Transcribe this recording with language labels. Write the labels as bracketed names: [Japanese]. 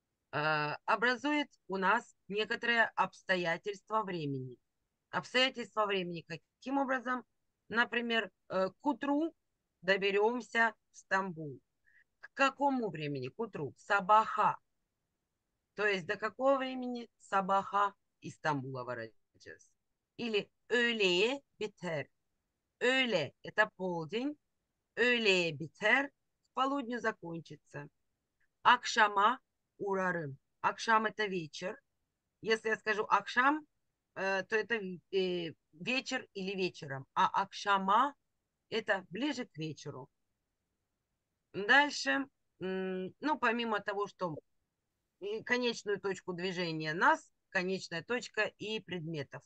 [Russian] Образует у нас некоторое обстоятельство времени. Обстоятельство времени каким образом? Например, к утру доберемся в Стамбул. К какому времени? К утру. Сабаха. То есть до какого времени? Сабаха из Стамбула ворачивается. Или [Turkish] öğle biter. [Russian] Öğle – это полдень. Öğle biter – к полудню закончится. [Turkish] Akşama uğrarım. [Russian] Akşam – это вечер. Если я скажу akşam, то это вечер или вечером. А akşama – это ближе к вечеру. Дальше, ну, помимо того, что конечную точку движения нас, конечная точка и предметов.